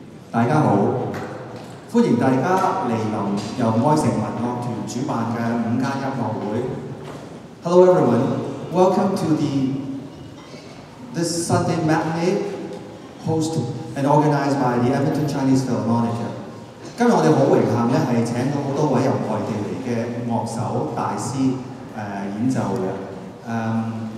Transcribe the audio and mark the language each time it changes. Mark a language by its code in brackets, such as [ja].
[yue] 大家好，歡迎大家嚟臨由愛城民樂團主辦嘅五間音樂會。 [en] Hello everyone, welcome to this Sunday matinee hosted and organized by the Edmonton Chinese Philharmonic. [yue] 今日我哋好榮幸咧，係請到好多位由外地嚟嘅樂手大師演奏嘅。